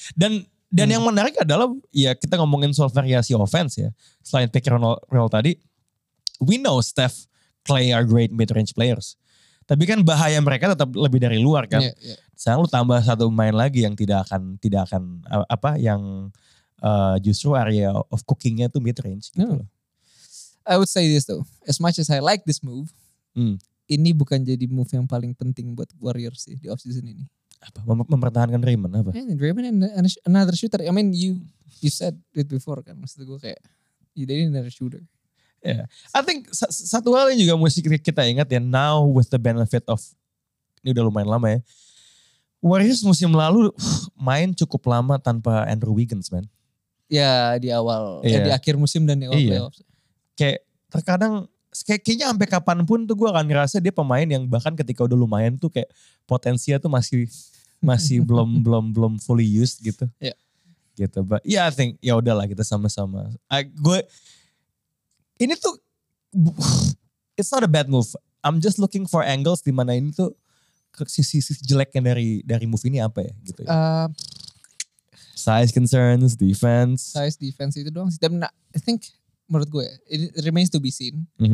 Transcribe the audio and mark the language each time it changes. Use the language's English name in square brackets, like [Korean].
[Indonesian] Dan yang menarik adalah ya kita ngomongin soal variasi offense ya. Selain pick and roll tadi, [English] we know Steph, Clay are great mid-range players. [Indonesian] Tapi kan bahaya mereka tetap lebih dari luar kan. [English] Yeah, yeah. [Indonesian] Sekarang lu tambah satu main lagi yang tidak akan apa yang justru [English] area of cooking- [Indonesian] nya tuh mid-range. Gitu. [English] No. I would say this though, as much as I like this move, [Indonesian] ini bukan jadi move yang paling penting buat Warriors sih di offseason ini. Apa mempertahankan Draymond apa? [English] Yeah, Draymond and another shooter. I mean you said it before kan. [Indonesian] Maksud gue kayak [English] you need another shooter. Yeah. I think [Indonesian] satu hal yang juga mesti kita ingat ya, [English] now with the benefit of [Indonesian] ini udah lumayan lama ya. Warriors musim lalu main cukup lama tanpa Andrew Wiggins, man. Ya, di awal di akhir musim dan di awal playoffs. Kayak terkadang kayaknya sampai kapanpun tuh gue akan ngerasa dia pemain yang bahkan ketika udah lumayan tuh kayak potensinya tuh masih belum [English] fully used [Indonesian] gitu. Iya. Yeah. Gitu. [English] But yeah, I think [Indonesian] ya udahlah kita sama-sama. Ini tuh [English] it's not a bad move. I'm just looking for angles [Indonesian] di mana ini tuh sisi jeleknya dari move ini apa ya gitu ya. [English] Size concerns, defense. [Indonesian] Size defense itu doang sih. [English] Dan I think [Indonesian] menurut gue [English] it remains to be seen.